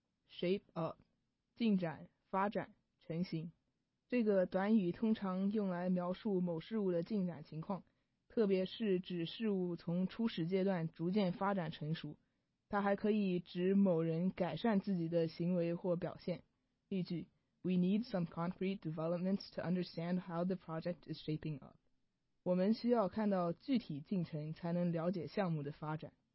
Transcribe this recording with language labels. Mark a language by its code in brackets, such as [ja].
[zh] Shape up, 进展、发展、成型。这个短语通常用来描述某事物的进展情况，特别是指事物从初始阶段逐渐发展成熟。它还可以指某人改善自己的行为或表现。 [en] 例句 We need some concrete developments to understand how the project is shaping up. [zh] 我们需要看到具体进程才能了解项目的发展。